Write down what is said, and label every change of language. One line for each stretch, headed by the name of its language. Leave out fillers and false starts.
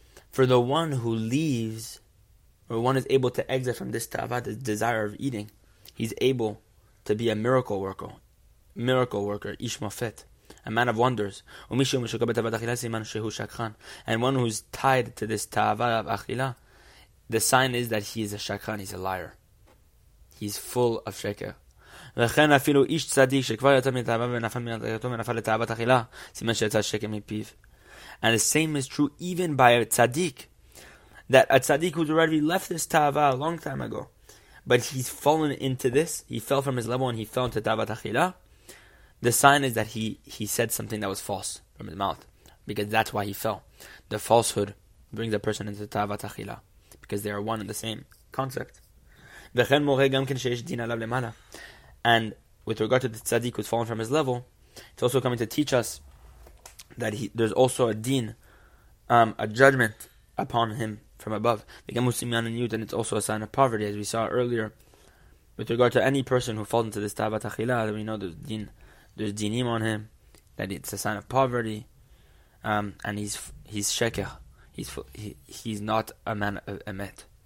English: For the one who leaves, or one is able to exit from this tavat, the desire of eating, he's able to be a miracle worker. Miracle worker,
Hebrew: ish mofet,
English: a man of wonders.
Hebrew: Umi shehu meshukah betavat achila siman shehu shakran.
English: And one who's tied to this tavat of achila, the sign is that he is a shakran, he's a liar. He's full of sheker.
Hebrew: וכן אפילו איש צדיק שכבר יצא מתאווה ונפל מנתקתו ונפל לתאוות אכילה, סימן שיצא שקר מפיו.
English: And the same is true even by a tzaddik, that a tzaddik who's already left this tava a long time ago, but he's fallen into this, he fell from his level and he fell into tava tachila, the sign is that he said something that was false from his mouth, because that's why he fell. The falsehood brings a person into tava tachila, because they are one and the same concept.
Hebrew: וכן מורה גם כן שיש דין עליו למעלה.
English: And with regard to the tzaddik who's fallen from his level, it's also coming to teach us that there's also a din, a judgment upon him from above. And it's also a sign of poverty, as we saw earlier. With regard to any person who falls into this tavat achila, we know there's dinim on him, that it's a sign of poverty, and he's sheker, he's not a man of emet.